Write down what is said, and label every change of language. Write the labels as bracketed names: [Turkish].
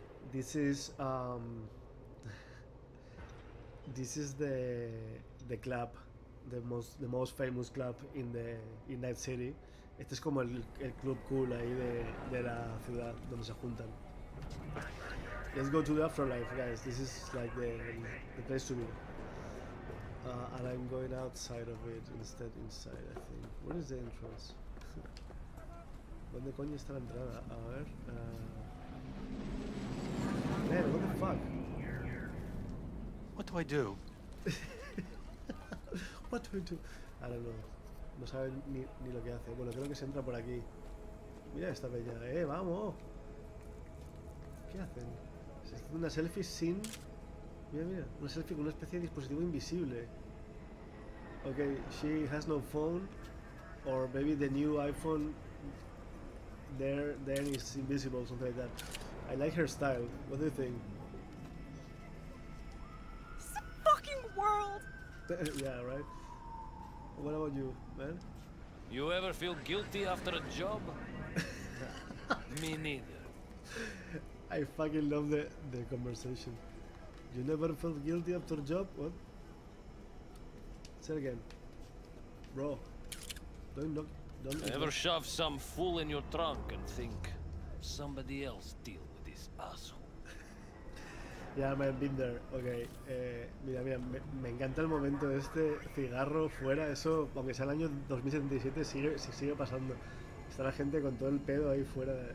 [English] This is this is the club, the most famous club in Night City. [Spanish] Este es como el club cool ahí de la ciudad donde se juntan. [English] Let's go to the afterlife, guys. This is like the place to be. And I'm going outside of it instead, inside, I think. Where is the entrance? [Spanish] ¿Dónde coño está la entrada? A ver. [English] Man, what the fuck? What do I do? What do I do? I don't know. [Spanish] No sabe ni lo que hace. Bueno, creo que se entra por aquí. Mira esta bella. ¡Vamos! ¿Qué hacen? Se hace una selfie sin. Mira. Una selfie con una especie de dispositivo invisible. [English] Okay, she has no phone, or maybe the new iPhone there is invisible, something like that. I like her style. What do you think? It's a fucking world! Yeah, right? What about you, man? You ever feel guilty after a job? Me neither. I fucking love the conversation. You never felt guilty after a job? What? Say it again. Bro, don't ever shove some fool in your trunk and think somebody else deal with this asshole. Yeah, man, been there. Okay. [Spanish] Mira, me encanta el momento de este cigarro fuera. Eso, aunque sea el año 2077, sigue pasando. Está la gente con todo el pedo ahí fuera.